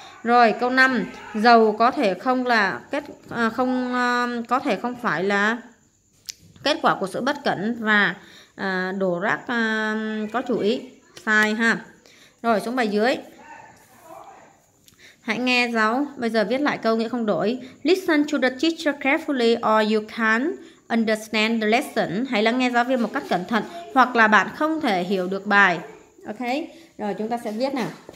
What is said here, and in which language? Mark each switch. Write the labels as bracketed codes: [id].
[vi] Rồi câu 5, dầu có thể không là kết không có thể không phải là kết quả của sự bất cẩn và đổ rác có chủ ý, sai ha. Rồi xuống bài dưới, hãy nghe giáo, bây giờ viết lại câu nghĩa không đổi. [en] Listen to the teacher carefully or you can't understand the lesson. [vi] Hãy lắng nghe giáo viên một cách cẩn thận hoặc là bạn không thể hiểu được bài. Ok, rồi chúng ta sẽ viết nào.